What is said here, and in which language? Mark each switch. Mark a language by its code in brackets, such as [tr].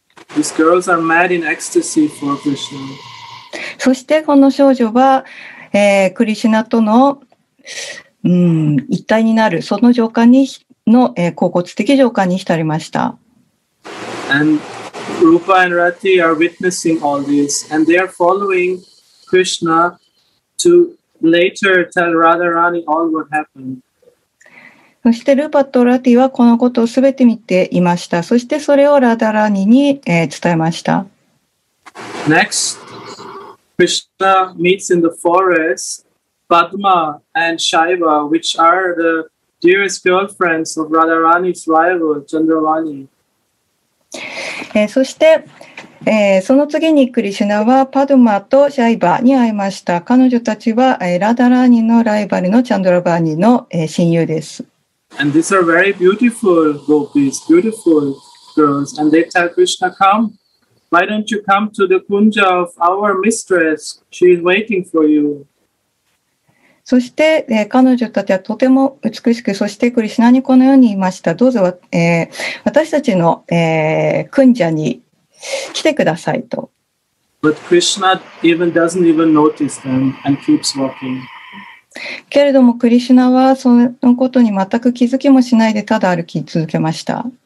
[en] These girls are mad in ecstasy for Krishna. [ja] そしてこの少女は、クリシナとの、一体になる、その情感にの、高骨的情感に浸りました。 [en] And Rupa and Rati are witnessing all this, and they are following Krishna to later tell Radharani all what happened. [ja] そしてルーパとラティはこのことをすべて見ていました。そしてそれをラダラニに、伝えました。 [en] Next, Krishna meets in the forest Padma and Shaiva, which are the dearest girlfriends of Radharani's rival, Chandravani. [ja] そして、その次にクリシュナはパドマとシャイバに会いました。彼女たちは、ラダラニのライバルのチャンドラバーニの、親友です。 [en] And these are very beautiful gopis, beautiful girls. And they tell Krishna, come, why don't you come to the kunja of our mistress? She is waiting for you. [ja] そして、彼女たちはとても美しく、そしてクリシナにこのように言いました。どうぞ、私たちの、kunja に来てくださいと。 [en] But Krishna even doesn't even notice them and keeps walking. [ja] けれどもクリシュナはそのことに全く気づきもしないでただ歩き続けました。